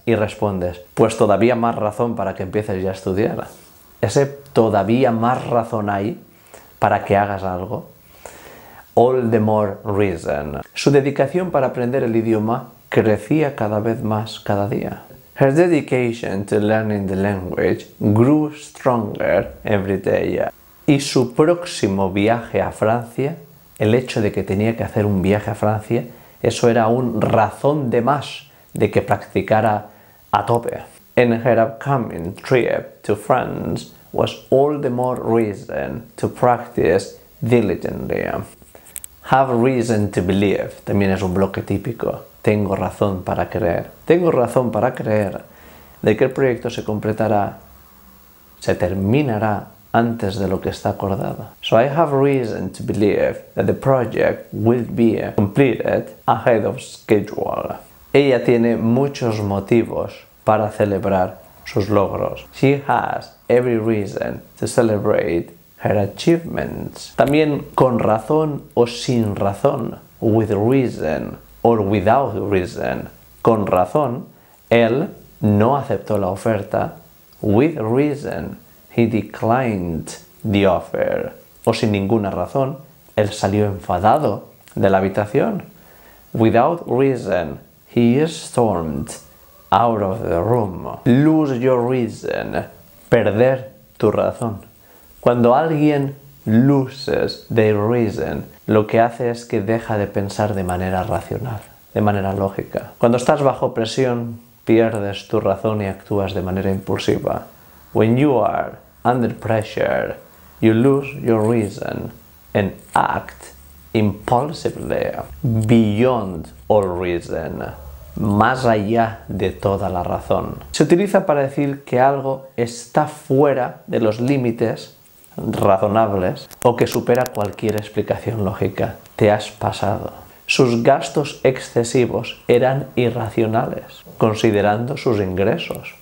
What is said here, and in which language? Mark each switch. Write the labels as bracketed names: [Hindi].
[Spanish] Y respondes, pues todavía más razón para que empieces ya a estudiar. Ese todavía más razón hay para que hagas algo. [English] All the more reason. [Spanish] Su dedicación para aprender el idioma crecía cada vez más cada día. [English] Her dedication to learning the language grew stronger every day. [Spanish] Y su próximo viaje a Francia, el hecho de que tenía que hacer un viaje a Francia, eso era un razón de más de que practicara a tope. [English] And her upcoming trip to France was all the more reason to practice diligently. Have reason to believe. [Spanish] También es un bloque típico. Tengo razón para creer. Tengo razón para creer de que el proyecto se completará, se terminará antes de lo que está acordado. [English] So I have reason to believe that the project will be completed ahead of schedule. [Spanish] Ella tiene muchos motivos para celebrar sus logros. [English] She has every reason to celebrate her achievements. [Spanish] También con razón o sin razón. [English] With reason or without reason. [Spanish] Con razón, él no aceptó la oferta. [English] With reason, he declined the offer. [Spanish] O sin ninguna razón, él salió enfadado de la habitación. [English] Without reason, he stormed out of the room. Lose your reason. [Spanish] Perder tu razón. Cuando alguien [English] loses their reason, [Spanish] lo que hace es que deja de pensar de manera racional, de manera lógica. Cuando estás bajo presión, pierdes tu razón y actúas de manera impulsiva. [English] When you are under pressure, you lose your reason and act impulsively. Beyond all reason, [Spanish] más allá de toda la razón. Se utiliza para decir que algo está fuera de los límites razonables o que supera cualquier explicación lógica. Te has pasado. Sus gastos excesivos eran irracionales, considerando sus ingresos.